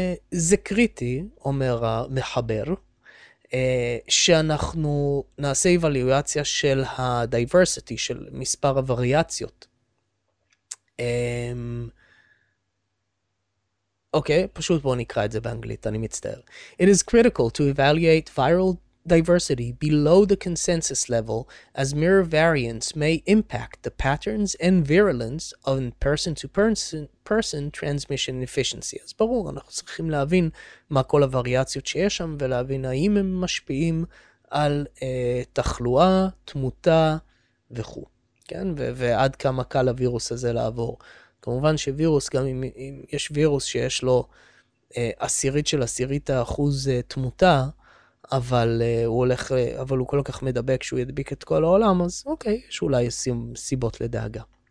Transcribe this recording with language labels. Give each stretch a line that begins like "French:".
Hebrew: זה קריטי, אומר המחבר, שאנחנו נעשה אבליואציה של הדייברסיטי, של מספר הווריאציות. אוקיי, פשוט בוא נקרא את זה באנגלית, אני מצטער.
English: It is critical to evaluate viral diversity below the consensus level as mirror variants may impact the patterns and virulence of person-to-person transmission efficiency.
Hebrew: אז ברור, אנחנו צריכים להבין מה כל הווריאציות שיש שם ולהבין האם הם משפיעים על תחלואה, תמותה וכו. כן? ועד כמה קל הווירוס הזה לעבור. כמובן שווירוס, גם אם יש וירוס שיש לו עשירית של עשירית האחוז תמותה, אבל הוא הולך, אבל הוא כל כך מדבק שהוא ידביק את כל העולם, אז אוקיי, יש אולי סיבות לדאגה.